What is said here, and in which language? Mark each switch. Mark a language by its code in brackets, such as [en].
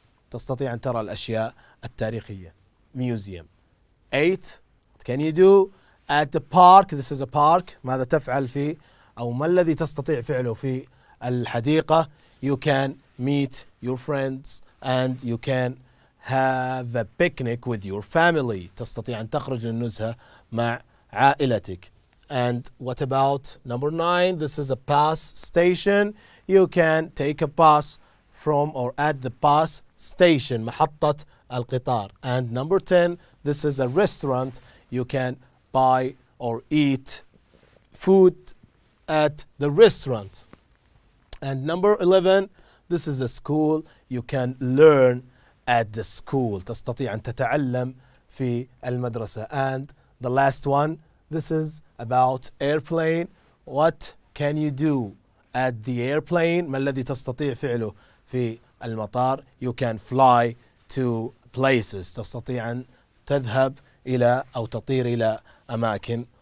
[ar] تستطيع أن ترى الأشياء التاريخية. [en] Museum. 8. What can you do at the park? This is a park. [ar] ماذا تفعل في أو ما الذي تستطيع فعله في الحديقة? [en] You can meet your friends and you can have a picnic with your family. [ar] تستطيع أن تخرج للنزهة مع عائلتك. [en] And what about number 9? This is a bus station. You can take a bus from or at the bus station. [ar] محطة القطار. [en] And number 10, this is a restaurant. You can buy or eat food at the restaurant. And number 11, this is a school. You can learn at the school. [ar] تستطيع أن تتعلم في المدرسة. [en] And the last one, this is about airplane. What can you do at the airplane? [ar] ما الذي تستطيع فعله في المطار? [en] You can fly to places. [ar] تستطيع أن تذهب إلى أو تطير إلى أماكن